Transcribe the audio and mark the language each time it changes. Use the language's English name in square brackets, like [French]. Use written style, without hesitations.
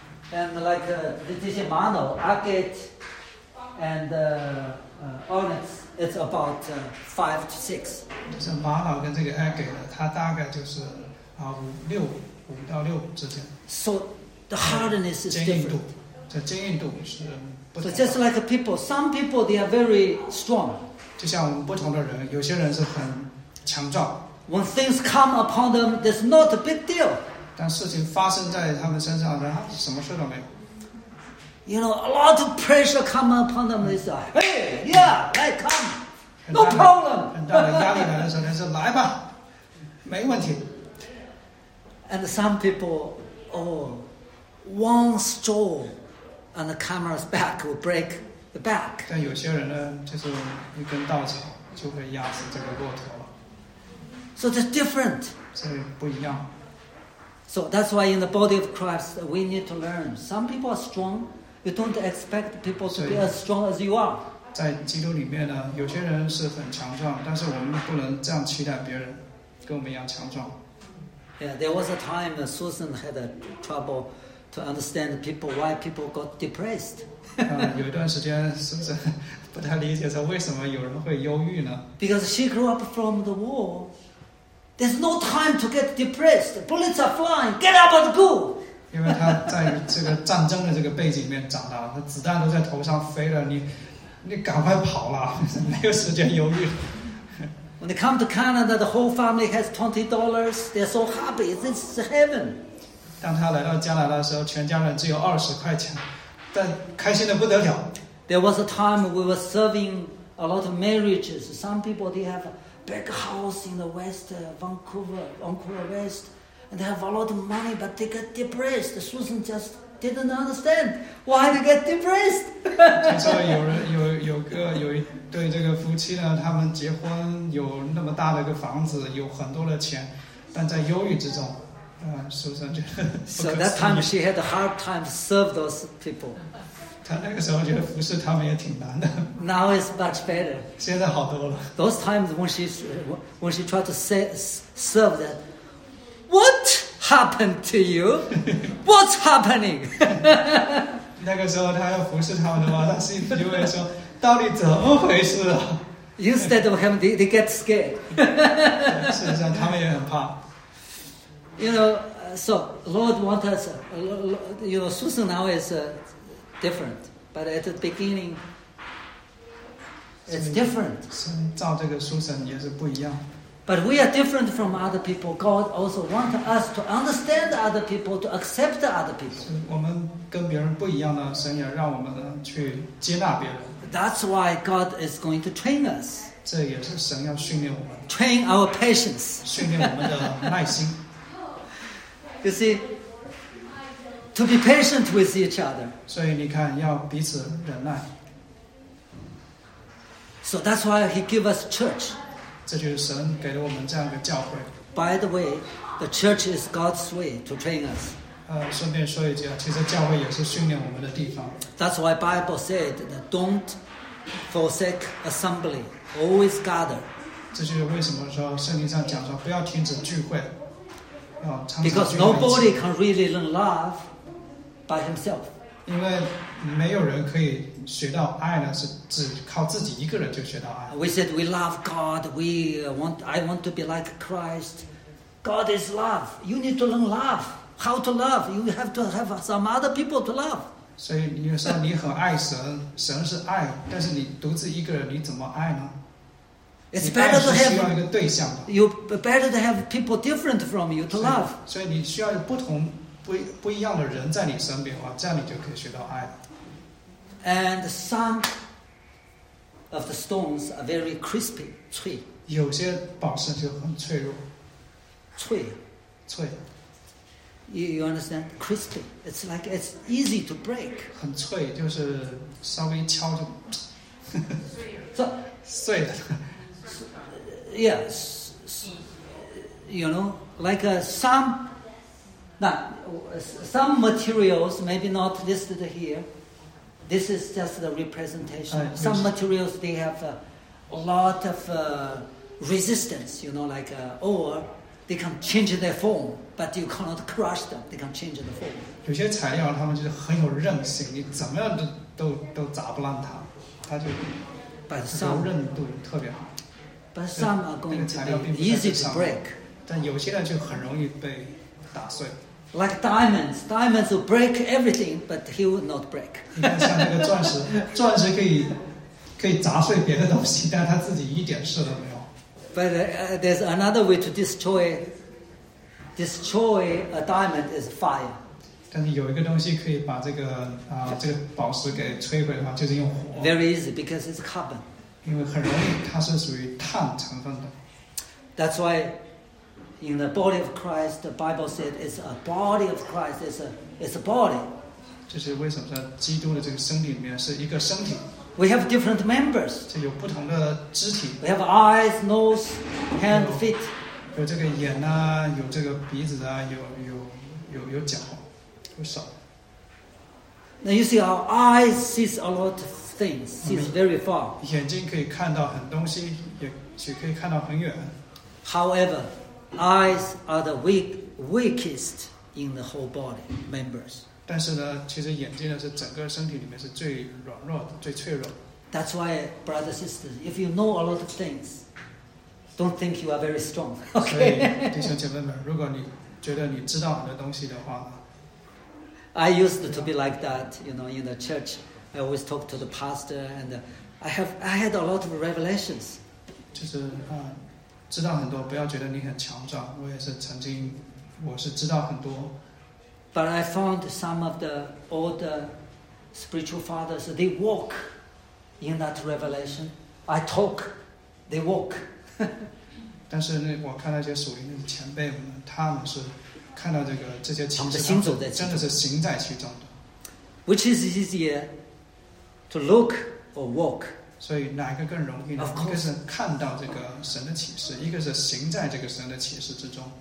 [English] And like this is mono agate and onyx, it's about 5-6. [Chinese] 就是玛瑙跟这个 agate， 它大概就是5到6之间。 [English] So the hardness is different. [Chinese] 这坚硬度是不同。 [English] So just like people, some people they are very strong. [Chinese] 就像我们不同的人，有些人是很强壮。 [English] When things come upon them, there's not a big deal. [Chinese] 但事情发生在他们身上，然后什么事都没有。 [English] You know, a lot of pressure come upon them. They say, "Hey, yeah, let come, no problem." [Chinese] 很大的压力来的时候，他说：“来吧，没问题。” [English] And some people, oh, one stroll on the camera's back will break the back. [Chinese] 但有些人呢，就是一根稻草就会压死这个骆驼了。 [English] So that's different. [Chinese] 所以不一样。 [English] So that's why in the body of Christ we need to learn. Some people are strong. You don't expect people to be as strong as you are. [Chinese] 在基督里面呢，有些人是很强壮，但是我们不能这样期待别人跟我们一样强壮。 [English] Yeah, there was a time that Susan had a trouble to understand people why people got depressed. [Chinese] 有一段时间 Susan 不太理解说为什么有人会忧郁呢？ [English] Because she grew up from the war. There's no time to get depressed. Bullets are flying. Get up and go. [Chinese] 因为她在这个战争的这个背景里面长大，那子弹都在头上飞了，你赶快跑了，没有时间忧郁。 [English] When they come to Canada, the whole family has $20. They're so happy. This is heaven. [Chinese] 当他来到加拿大的时候，全家人只有20块钱，但开心的不得了。 [English] There was a time we were serving a lot of marriages. Some people they have a big house in the West, Vancouver West, and they have a lot of money, but they get depressed. Susan just didn't understand why they get depressed. [Chinese] 听说有一对这个夫妻呢，他们结婚有那么大的一个房子，有很多的钱，但在忧郁之中，Susan 觉得不可思议。 [English] So that time she had a hard time to serve those people. [Chinese] 她那个时候觉得服侍他们也挺难的。 [English] Now it's much better. [Chinese] 现在好多了。 [English] Those times when she tried to serve them, what happened to you? What's happening? [Chinese] 那个时候她要服侍他们的话，她心里就会说。到底怎么回事啊？ [English] Instead of him, they get scared. [Chinese] 事实上，他们也很怕。 [English] You know, so Lord wants us. You know, Susan now is different, but at the beginning, it's different. [Chinese] 神造这个 Susan 也是不一样。 [English] But we are different from other people. God also wants us to understand other people, to accept other people. [Chinese] 我们跟别人不一样呢，神也让我们去接纳别人。 [English] That's why God is going to train us. [Chinese] 这也是神要训练我们。 [English] Train our patience. [Chinese] 训练我们的耐心。 [English] You see, to be patient with each other. [Chinese] 所以你看，要彼此忍耐。 [English] So that's why He gave us church. [Chinese] 这就是神给了我们这样一个教会。 [English] By the way, the church is God's way to train us. [Chinese] 顺便说一句，其实教会也是训练我们的地方。 [English] That's why Bible said that don't forsake assembly, always gather. [Chinese] 这就是为什么说圣经上讲说不要停止聚会，要常常聚会。 [English] Because nobody can really learn love by himself. [Chinese] 因为没有人可以学到爱呢，是只靠自己一个人就学到爱。 [English] We said we love God. I want to be like Christ. God is love. You need to learn love. How to love? You have to have some other people to love. [Chinese] 所以你说你很爱神，神是爱，但是你独自一个人，你怎么爱呢？ [English] It's better to have, [Chinese] 你爱是需要一个对象的。 [English] You better to have people different from you to love. [Chinese] 所以你需要不一样的人在你身边的话，这样你就可以学到爱了。 [English] And some of the stones are very crispy, [Chinese] 脆。有些宝石就很脆弱。脆。脆。 [English] You understand? Crispy. It's like it's easy to break. [Chinese] 很脆，就是稍微敲就。碎了。碎了。 [English] Yes. You know, like some materials maybe not listed here. This is just the representation. Some materials they have a lot of resistance. You know, like ore. They can change their form. But you cannot crush them. They can change the form. [Chinese] 有些材料他们就是很有韧性，你怎么样都砸不烂它，它就柔韧度特别好。 [English] But some are going to be easy to break. [Chinese] 但有些呢就很容易被打碎。 [English] Like diamonds, diamonds will break everything, but he will not break. [Chinese] 像那个钻石，钻石可以砸碎别的东西，但他自己一点事都没有。 [English] But there's another way to destroy a diamond is fire. [Chinese] 但是有一个东西可以把这个宝石给摧毁的话，就是用火。 [English] Very easy because it's carbon. [Chinese] 因为很容易，它是属于碳成分的。 [English] That's why in the body of Christ, the Bible said it's a body of Christ, it's a body. [Chinese] 就是为什么在基督的这个身体里面是一个身体。 [English] We have different members. [Chinese] 就有不同的肢体。 [English] We have eyes, nose, hand, feet. [Chinese] 有这个眼啊，有这个鼻子啊，有脚，有手。 [English] Now you see, our eyes sees a lot of things, sees very far. [Chinese] 眼睛可以看到很东西，也可以看到很远。 [English] However, eyes are the weakest in the whole body members. [Chinese] 但是呢，其实眼睛呢是整个身体里面是最软弱的、最脆弱的。 [English] That's why, brother, sister, if you know a lot of things, don't think you are very strong. Okay. [Chinese] 弟兄姐妹们，如果你觉得你知道很多东西的话 [English] ，I used to be like that, you know, in the church. I always talk to the pastor, and I had a lot of revelations. [Chinese] 就是啊，知道很多，不要觉得你很强壮。我也是曾经，我是知道很多。 [English] But I found some of the older spiritual fathers, they walk in that revelation. I talk, they walk. [Chinese] 但是呢，我看到一些属灵的前辈们，他们是看到这个这些启示，真的是行在其中的。 [English] Which is easier to look or walk? [Chinese] 所以哪个更容易呢？一个是看到这个神的启示，一个是行在这个神的启示之中。